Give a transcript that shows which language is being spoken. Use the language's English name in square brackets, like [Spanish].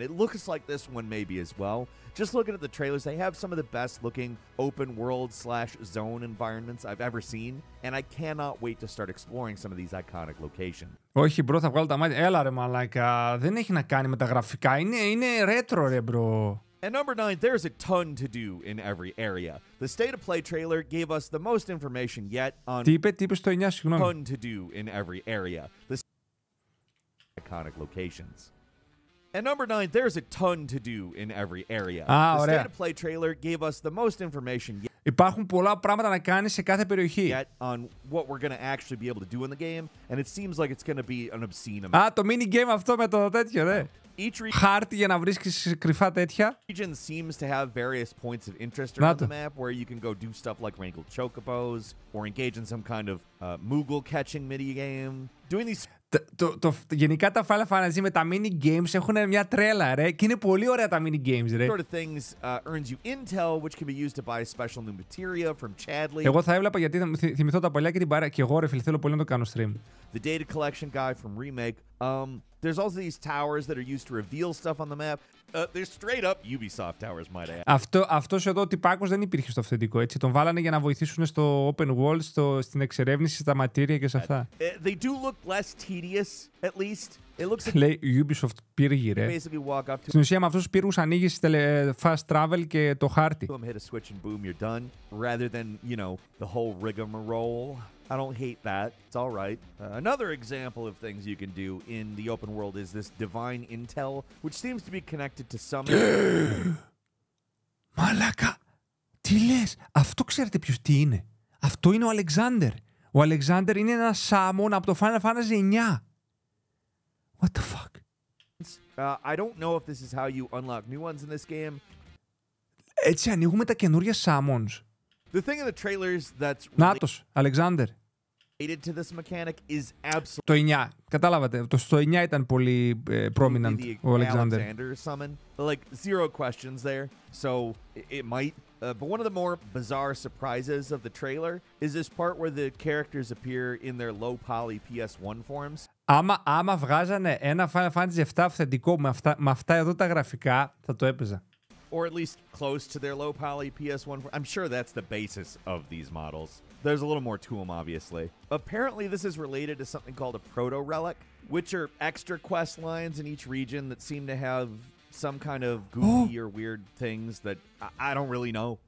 [English] It looks like this one maybe as well. Just looking at the trailers, they have some of the best looking open world slash zone environments I've ever seen. And I cannot wait to start exploring some of these iconic locations. [Greek] Όχι, μπρο, θα βγάλω τα μάτια. Έλα ρε μαλάκα, δεν έχει να κάνει με τα γραφικά. Είναι ρέτρο ρε μπρο. [English] And number 9, there's a ton to do in every area. The State of Play trailer gave us the most information yet on... [Greek] Τι είπε στο 9, συγγνώμη. [English] ...ton to do in every area. The iconic locations. And number 9, there's a ton to do in every area. The State of Play trailer gave us the most information yet. [Greek] Υπάρχουν πολλά πράγματα να κάνεις σε κάθε περιοχή. [English] Yet on what we're going to actually be able to do in the game, and it seems like it's going to be an obscene [Greek] amount. Το mini game αυτό με το τέτοιο, ναι. χάρτη για να βρίσκεις κρυφά τέτοια. [English] Region seems to have various points of interest around the map where you can go do stuff like wrangle chocobos or engage in some kind of moogle catching mini game. Doing these. [Greek] Γενικά τα Final Fantasy με τα mini games έχουν μια τρέλα, ρε. Και είναι πολύ ωραία τα mini games, ρε. [English] Sort of things earns you intel, which can be used to buy special new materia from Chadley. [Greek] Εγώ θα έβλεπα γιατί θυμηθώ τα παλιά και την παρέα. Και εγώ, ρε, φίλε, θέλω πολύ να το κάνω stream. [English] The data collection guy from Remake. There's also these towers that are used to reveal stuff on the map. They're straight up Ubisoft towers, might I add. [Greek] Αυτός εδώ ο τυπάκος δεν υπήρχε στο αυθεντικό, έτσι. Τον βάλανε για να βοηθήσουν στο open world, στην εξερεύνηση, στα ματήρια και σε αυτά. [English] They do look less tedious, at least. It looks like... [Greek] Λέει, Ubisoft πύργη, ρε. Στην ουσία, με αυτούς τους πύργους ανοίγεις fast travel και το χάρτη. [English] Hit a switch and boom, you're done. Rather than, you know, the whole rigmarole. I don't hate that. It's all right. Another example of things you can do in the open world is this divine intel, which seems to be connected to some... [Greek] Μαλάκα! Τι λες! Αυτό ξέρετε ποιος τι είναι. Αυτό είναι ο Αλεξάνδερ. Ο Αλεξάνδερ είναι ένα σάμον από το Final Fantasy 9. [English] What the fuck? I don't know if this is how you unlock new ones in this game. [Greek] Έτσι ανοίγουμε τα καινούργια σάμονς. [English] The thing in the trailers that's [Greek] Νάτος, Αλεξάνδερ. [English] Related to this mechanic is absolutely... [Greek] Το 9. Κατάλαβατε. Στο 9 ήταν πολύ prominent ο Αλεξάνδερ. [English] Alexander summon. Like, zero questions there. So, it might. But one of the more bizarre surprises of the trailer is this part where the characters appear in their low-poly PS1 forms. Άμα βγάζανε ένα Final Fantasy 7 αυθεντικό με αυτά εδώ τα γραφικά, θα το έπαιζα. Or at least close to their low-poly PS1. I'm sure that's the basis of these models. There's a little more to them, obviously. Apparently, this is related to something called a proto-relic, which are extra quest lines in each region that seem to have some kind of goofy or weird things that I don't really know.